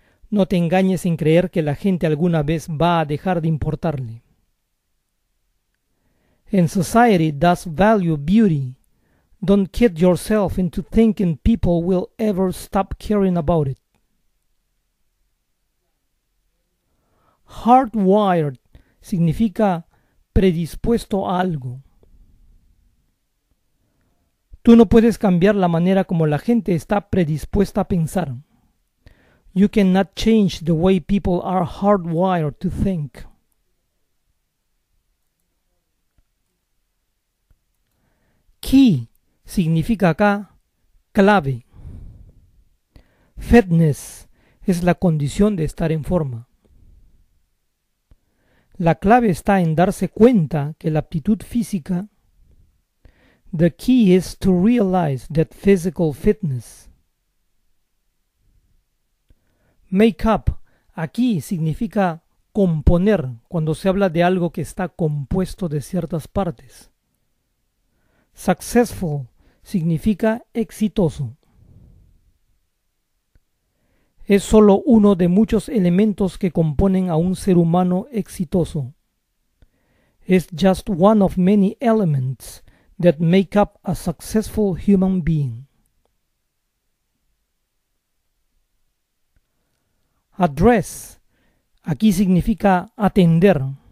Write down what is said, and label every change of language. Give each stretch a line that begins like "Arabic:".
Spanish: No te engañes en creer que la gente alguna vez va a dejar de importarle.
English: And society does value beauty. Don't kid yourself into thinking people will ever stop caring about it.
Spanish: Hardwired significa predispuesto a algo. Tú no puedes cambiar la manera como la gente está predispuesta a pensar.
English: You cannot change the way people are hardwired to think.
Spanish: Key significa acá clave. Fitness es la condición de estar en forma. La clave está en darse cuenta que la aptitud física.
English: The key is to realize that physical fitness.
Spanish: Make up aquí significa componer cuando se habla de algo que está compuesto de ciertas partes. Successful significa exitoso. Es solo uno de muchos elementos que componen a un ser humano exitoso.
English: It's just one of many elements that make up a successful human being.
Spanish: Address aquí significa atender.